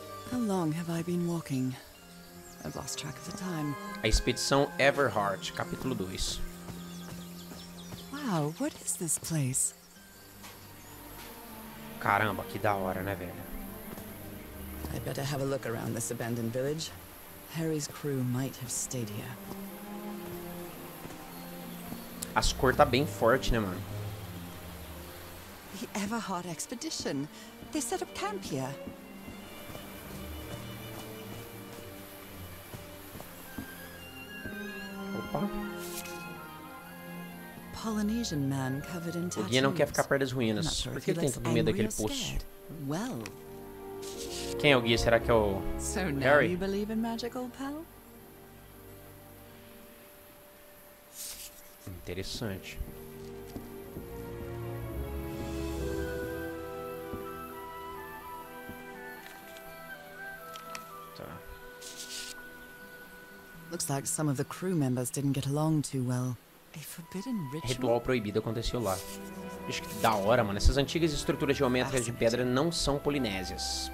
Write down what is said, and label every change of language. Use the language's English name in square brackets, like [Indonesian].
[English] How long have I been walking? I've lost track of the time. [Portuguese] A expedição Everhart, capítulo 2. [English] Wow, what is this place? [Portuguese] Caramba, que da hora, né, velho? [English] I better have a look around this abandoned village. Harry's crew might have stayed here. [Portuguese] As cores tá bem forte, né, mano? [English] The Everhart expedition. They set up camp here. [Portuguese] Opa. [English] Polynesian man covered in tattoos. [Portuguese] O guia não quer ficar perto das ruínas. Por que tem tanto medo daquele poço? [English] Well, [Portuguese] Quem é o guia? Será que é o [English] so [Portuguese] Harry? [English] Now you believe in magic, old pal? [Portuguese] Interessante. Tá. [English] Looks like some of the crew members didn't get along too well. A forbidden ritual. [Portuguese] Ritual proibido aconteceu lá. Acho que da hora, mano. Essas antigas estruturas geométricas de pedra não são polinésias.